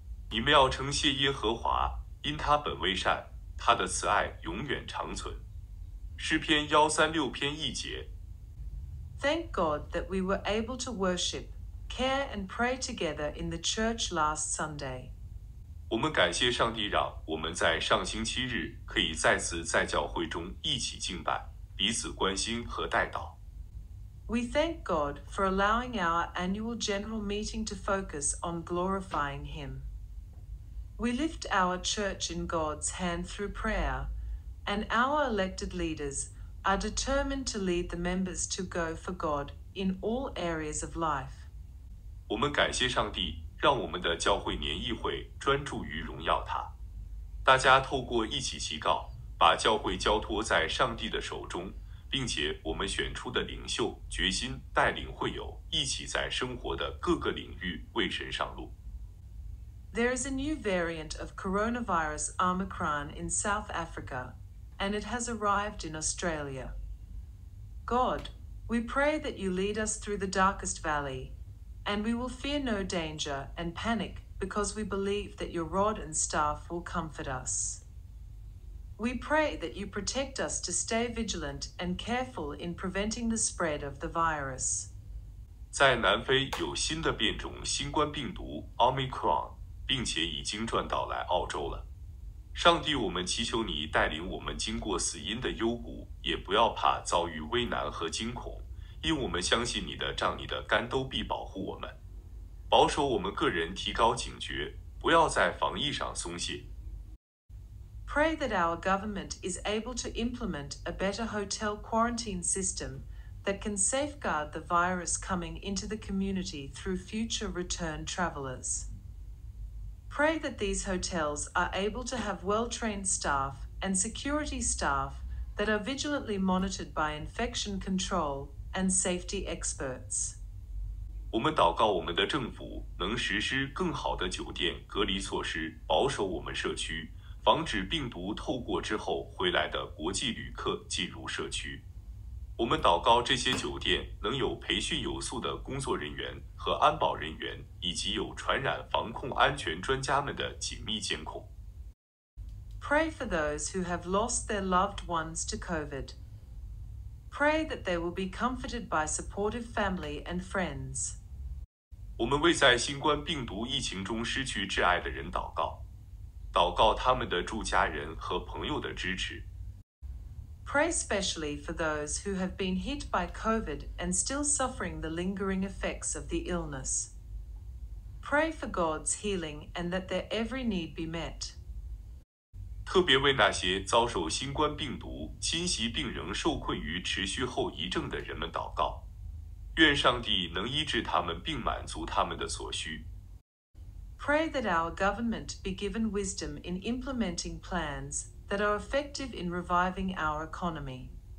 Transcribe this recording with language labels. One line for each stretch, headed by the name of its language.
Chinese: 你们要称谢耶和华，因他本为善，他的慈爱永远长存。诗篇136篇一节。
English: Thank God that we were able to worship, care and pray together in the church last Sunday.
Chinese: 我们感谢上帝让我们在上星期日可以再次在教会中一起敬拜，彼此关心和代祷。
English: We thank God for allowing our annual general meeting to focus on glorifying Him. We lift our church in God's hand through prayer, and our elected leaders are determined to lead the members to go for God in all areas of life.
Chinese: 我们感谢上帝，让我们的教会年议会专注于荣耀他。大家透过一起祈祷，把教会交托在上帝的手中。并且我们选出的领袖决心带领会友一起在生活的各个领域为神上路。
English: There is a new variant of coronavirus Omicron in South Africa, and it has arrived in Australia. God, we pray that you lead us through the darkest valley, and we will fear no danger and panic because we believe that your rod and staff will comfort us. We pray that you protect us to stay vigilant and careful in preventing the spread of the virus.
Chinese: 在南非有新的变种新冠病毒 Omicron, 并且已经转到来澳洲了。上帝，我们祈求你带领我们经过死荫的幽谷，也不要怕遭遇危难和惊恐，因我们相信你的杖、你的竿都必保护我们，保守我们个人，提高警觉，不要在防疫上松懈。
English: Pray that our government is able to implement a better hotel quarantine system that can safeguard the virus coming into the community through future return travelers. Pray that these hotels are able to have well-trained staff and security staff that are vigilantly monitored by infection control and safety experts.
Chinese: 我们祷告我们的政府能实施更好的酒店隔离措施，保守我们社区，防止病毒透过之后回来的国际旅客进入社区。我们祷告这些酒店能有培训有素的工作人员和安保人员，以及有传染防控安全专家们的紧密监控。
English: Pray for those who have lost their loved ones to COVID. Pray that they will be comforted by supportive family and friends.
Chinese: 我们为在新冠病毒疫情中失去挚爱的人祷告，祷告他们的住家人和朋友的支持。
English: Pray specially for those who have been hit by COVID and still suffering the lingering effects of the illness. Pray for God's healing and that their every need be met.
Chinese: 特别为那些遭受新冠病毒侵袭并仍受困于持续后遗症的人们祷告，愿上帝能医治他们并满足他们的所需。
English: Pray that our government be given wisdom in implementing plans that are effective in reviving our economy.